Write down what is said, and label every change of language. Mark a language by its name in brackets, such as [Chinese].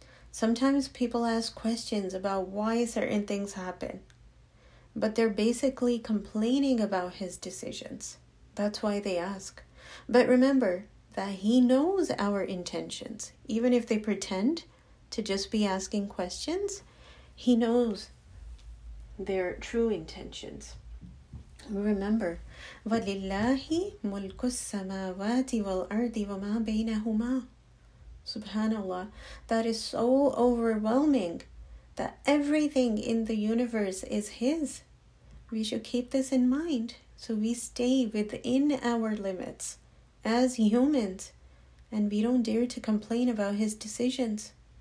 [English] Sometimes people ask questions about why certain things happen, but they're basically complaining about his decisions. That's why they ask. But remember that he knows our intentions. Even if they pretend to just be asking questions, he knows their true intentions. Remember, [Arabic] وَلِلَّهِ مُلْكُ السَّمَاوَاتِ وَالْأَرْضِ وَمَا بَيْنَهُمَا. [English] Subhanallah, that is so overwhelming that everything in the universe is His. We should keep this in mind so we stay within our limits as humans and we don't dare to complain about His decisions.